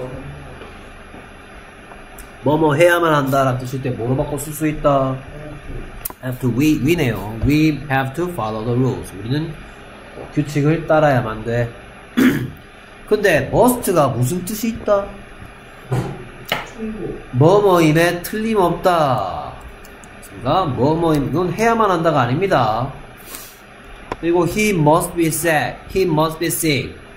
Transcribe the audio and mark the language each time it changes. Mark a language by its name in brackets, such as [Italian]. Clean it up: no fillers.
[Korean] 버무러기면 어떻게 돼요? 벌금을 내거나 이런 거 감옥에 갈 수도 있고 법적 의무를 얘기하는 건데 [English] must follow the rules. [Korean] 그리고 must가 무슨 뜻일 때 이와 같이 무슨 뜻일 때 뭐뭐 해야만 한다 라는 뜻일 때 뭐로 바꿔 쓸 수 있다? [English] We, 위네요. We have to follow the rules. [Korean] 우리는 규칙을 따라야만 돼. 근데 must가 무슨 뜻이 있다? 뭐뭐임에 틀림없다. 그렇습니까? 뭐뭐임, 이건 해야만 한다가 아닙니다. [English] 그리고 he must be sick. he must be sick.